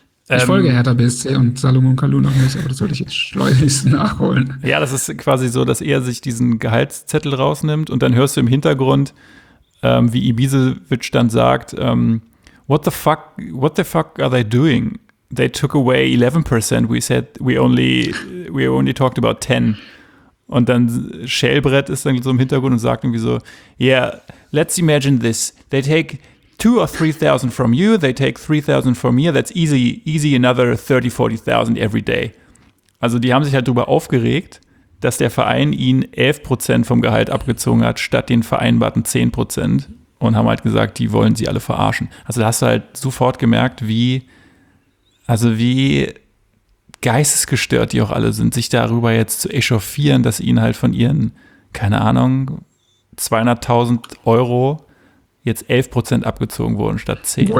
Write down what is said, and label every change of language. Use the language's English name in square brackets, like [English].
[German] Ich folge Hertha BSC und Salomon Kalou noch nicht, aber das sollte ich jetzt schleunigst nachholen. Ja, das ist quasi so, dass er sich diesen Gehaltszettel rausnimmt und dann hörst du im Hintergrund, wie Ibisevic dann sagt, [English] what the fuck are they doing? They took away 11%. We said we only talked about 10. [German] Und dann Schellbrett ist dann so im Hintergrund und sagt irgendwie so, [English] yeah, let's imagine this. They take 2,000 or 3,000 from you. They take 3,000 from me. That's easy another 30,000-40,000 every day. [German] Also die haben sich halt drüber aufgeregt, dass der Verein ihnen 11% vom Gehalt abgezogen hat, statt den vereinbarten 10%. Und haben halt gesagt, die wollen sie alle verarschen. Also da hast du halt sofort gemerkt, wie geistesgestört die auch alle sind, sich darüber jetzt zu echauffieren, dass ihnen halt von ihren, keine Ahnung, 200.000 Euro jetzt 11% abgezogen wurden statt 10.